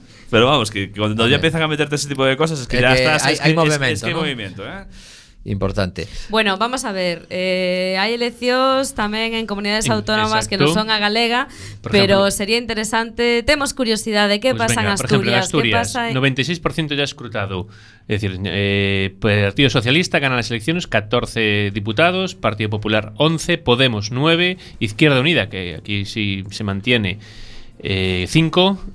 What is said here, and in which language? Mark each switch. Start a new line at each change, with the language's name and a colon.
Spanish: Pero vamos, que cuando ya empiezan a meterte ese tipo de cosas es que ya estás. Hay movimiento, ¿eh? Importante. Bueno, vamos a ver.
Galician: Hay eleccións tamén en comunidades autónomas. Exacto. Que non son a galega, pero sería interesante. Temos curiosidade de que pasa en Asturias.
Spanish: Por ejemplo, Asturias, 96% ya escrutado. Es decir, Partido Socialista gana las elecciones, 14 diputados, Partido Popular 11, Podemos 9, Izquierda Unida, que aquí sí se mantiene, 5.